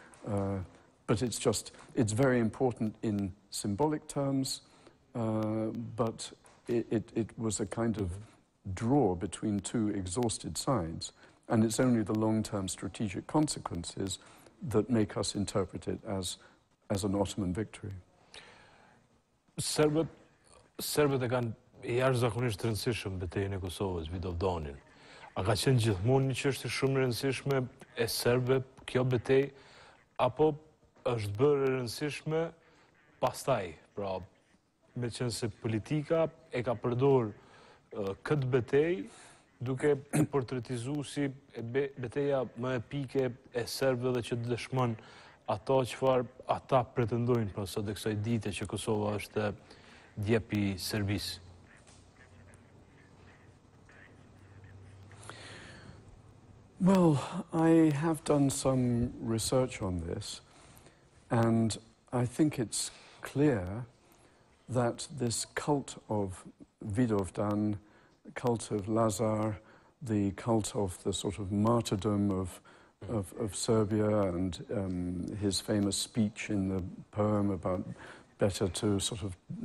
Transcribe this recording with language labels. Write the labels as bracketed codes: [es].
[en] But it's just, it's very important in symbolic terms, but it was a kind of draw between two exhausted sides. And it's only the long-term strategic consequences that make us interpret it as an Ottoman victory. [sq] Serbët e kanë jashtëzakonisht rëndësishëm betejën e Kosovës, Vidovdanin. A ka qenë gjithmonë një çështje shumë rëndësishme e serbëve kjo betejë, apo është bërë rëndësishme pastaj, pra me qenë se politika e ka përdorë këtë betejë duke e portretizuar si betejë më epike e serbëve dhe që dëshmon ato çfarë ata pretendojnë pra sot e kësaj dite që Kosova është djepi I Serbisë. [en] Well, I have done some research on this, and I think it's clear that this cult of Vidovdan, the cult of Lazar, the cult of the sort of martyrdom of Serbia and his famous speech in the poem about better to sort of